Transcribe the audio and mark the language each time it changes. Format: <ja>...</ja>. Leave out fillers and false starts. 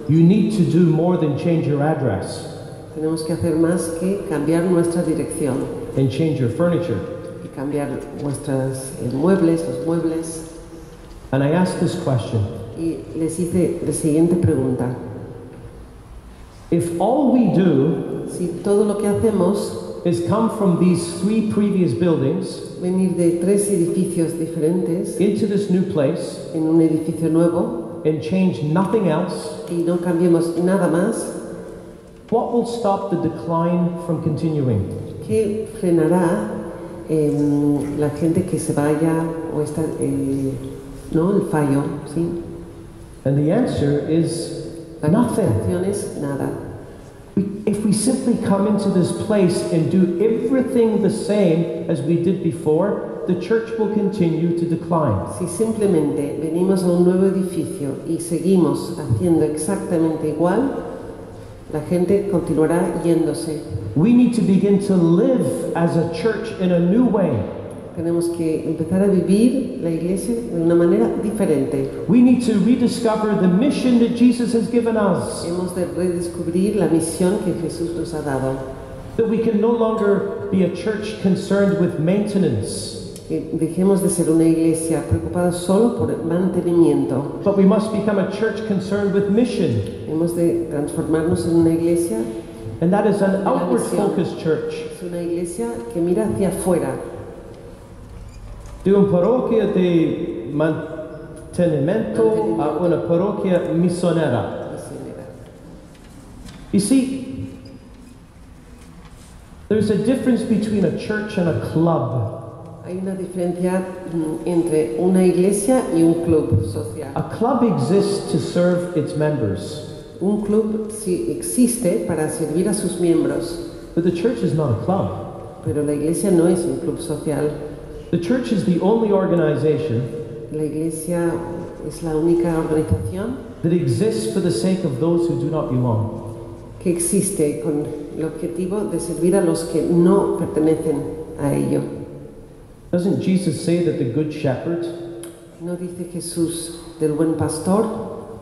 <en>you need to do more than change your address.</en> <es>Tenemos que hacer más que cambiar nuestra dirección.</es> <en>And change your furniture.</en> <es>Y cambiar nuestros muebles, los muebles.</es> <en>And I asked this question.</en> <es>Y les hice la siguiente pregunta.</es> <en>If all we do,</en> <es>si todo lo que hacemos,</es> <en>has come from these three previous buildings,</en> <es>venir de tres edificios diferentes,</es> <en>into this new place,</en> <es>en un edificio nuevo,</es> <en>and change nothing else,</en> <es>y no cambiemos nada más,</es> <en>What will stop the decline from continuing?</en> <es>¿Qué frenará la gente que se vaya o está no el fallo, sí?</es> <en>And the answer is nothing.</en> <es>Nada.</es> <en>If we simply come into this place and do everything the same as we did before, the church will continue to decline.</en> <es>Si simplemente venimos a un nuevo edificio y seguimos haciendo exactamente igual, la gente continuará yéndose.</es> <en>We need to begin to live as a church in a new way.</en> <es>Tenemos que empezar a vivir la iglesia de una manera diferente.</es> <en>We need to rediscover the mission that Jesus has given us.</en> <es>Hemos de redescubrir la misión que Jesús nos ha dado.</es> <en>That we can no longer be a church concerned with maintenance.</en> <es>Que dejemos de ser una iglesia preocupada solo por el mantenimiento.</es> <en>But we must become a church concerned with mission.</en> <es>Hemos de transformarnos en una iglesia.</es> <en>And that is an outward-focused church.</en> <es>Es una iglesia que mira hacia afuera. De una parroquia de mantenimiento a una parroquia misionera.</es> <en>You see, there's a difference between a church and a club.</en> <es>Hay una diferencia entre una iglesia y un club social.</es> <en>A club exists to serve its members.</en> <es>Un club existe para servir a sus miembros.</es> <en>But the church is not a club.</en> <es>Pero la iglesia no es un club social.</es> <en>The church is the only organization.</en> <es>La iglesia es la única organización</es> <en>that exists for the sake of those who do not belong.</en> <es>Que existe con el objetivo de servir a los que no pertenecen a ello.</es> <en>Doesn't Jesus say that the good shepherd?</en> <es>¿No dice Jesús del buen pastor?</es>